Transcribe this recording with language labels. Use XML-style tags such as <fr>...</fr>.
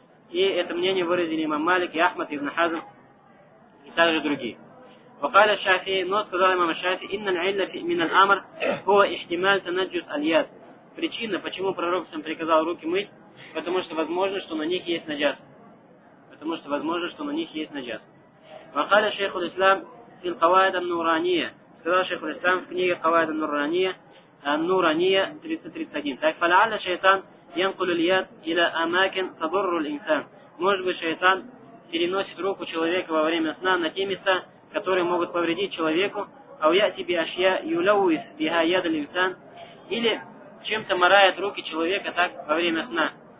<ru>И это мнение выразили имам Малик и Ахмад ибн Хазм и также другие.</ru> <ar>وقال الشافعي</ar> <ru>но сказал имам Шафии</ru> <ar>إن العلة من الأمر هو احتمال تنجس اليد.</ar> <ru>Причина, почему пророк сам приказал руки мыть, потому что возможно, что на них есть наджаса. Потому что возможно, что на них есть наджаса.</ru> <ar>وقال شيخ الإسلام في القواعد النورانية.</ar> <ru>Сказал шейх ислам в книге قواعد النورانية Нурания 331.</ru> <ar>Так фалаля шайтан янкулю льяд иля амакин табурру линсан.</ar> <ru>Может быть, шайтан переносит руку человека во время сна на те места, которые могут повредить человеку,</ru> <ar>أو يأتي بأشياء يلوث بها يد الإنسان</ar> <ru>или чем-то морает руки человека так во время сна.</ru>